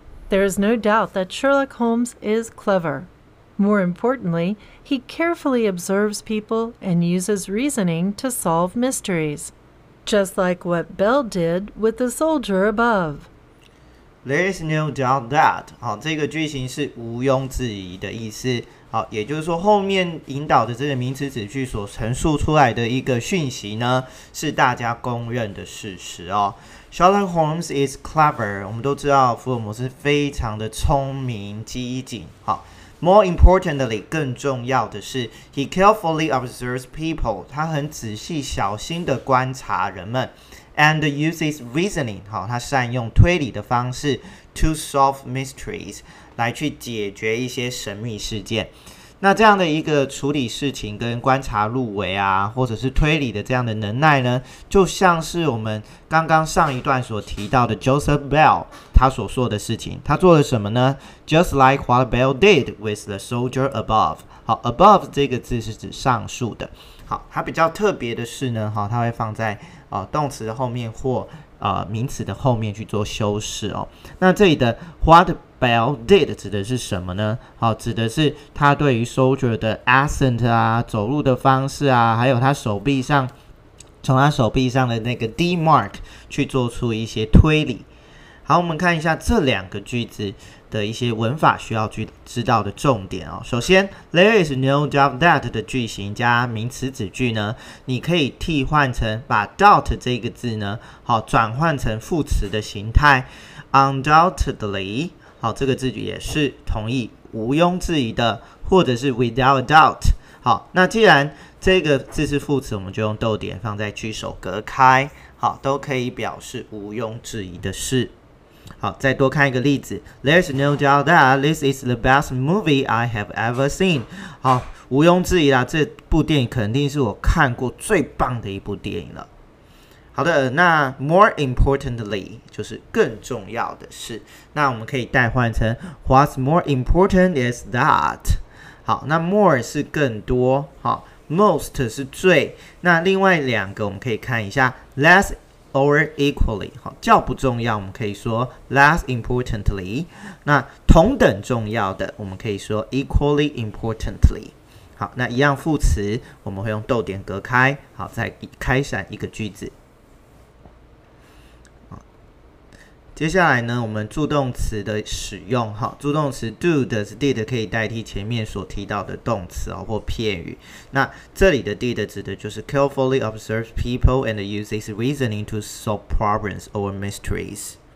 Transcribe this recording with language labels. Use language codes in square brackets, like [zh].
[en] There is no doubt that Sherlock Holmes is clever. More importantly, he carefully observes people and uses reasoning to solve mysteries. Just like what Bell did with the soldier above. There is no doubt that. [zh] 好，这个句型是毋庸置疑的意思。好，也就是说后面引导的这个名词子句所陈述出来的一个讯息呢，是大家公认的事实哦。 [en] Sherlock Holmes is clever. [zh] 我们都知道福尔摩斯非常的聪明机警。 [en] 好， more importantly， [zh] 更重要的是 [en] ，he carefully observes people. [zh] 他很仔细小心的观察人们 ， [en] and uses reasoning. [zh] 好，他善用推理的方式 [en] to solve mysteries， [zh] 来去解决一些神秘事件。那这样的一个处理事情跟观察入微啊，或者是推理的这样的能耐呢，就像是我们刚刚上一段所提到的 Joseph Bell 他所说的事情，他做了什么呢？ [en] Just like what Bell did with the soldier above。 [zh] 好， above 这个字是指上述的。好，它比较特别的是呢，它会放在动词的后面或名词的后面去做修饰哦。那这里的 what Bell did 指的是什么呢？好，指的是他对于 soldier 的 accent 啊，走路的方式啊，还有他手臂上，从他手臂上的那个 D mark 去做出一些推理。好，我们看一下这两个句子的一些文法需要去知道的重点哦。首先 ， [en] there is no doubt that [zh] 的句型加名词子句呢，你可以替换成把 doubt 这个字呢，好转换成副词的形态 ，undoubtedly， 好这个字句也是同意毋庸置疑的，或者是 [en] without a doubt。 [zh] 好，那既然这个字是副词，我们就用逗点放在句首隔开，好都可以表示毋庸置疑的事。好，再多看一个例子。 [en] There's no doubt that this is the best movie I have ever seen. [zh] 好，毋庸置疑啦，这部电影肯定是我看过最棒的一部电影了。好的，那 [en] more importantly [zh] 就是更重要的是，那我们可以代换成 [en] What's more important is that. [zh] 好，那 more 是更多，好 ，most 是最。那另外两个我们可以看一下 less。Or equally， 好，较不重要，我们可以说 [en] less importantly。 [zh] 那同等重要的，我们可以说 [en] equally importantly。 [zh] 好，那一样副词，我们会用逗点隔开，好，再开展一个句子。接下来呢，我们助动词的使用，好，助动词 do 的 did 可以代替前面所提到的动词哦，或片语。那这里的 [en] did [zh] 指的就是 [en] carefully observes people and uses reasoning to solve problems or mysteries.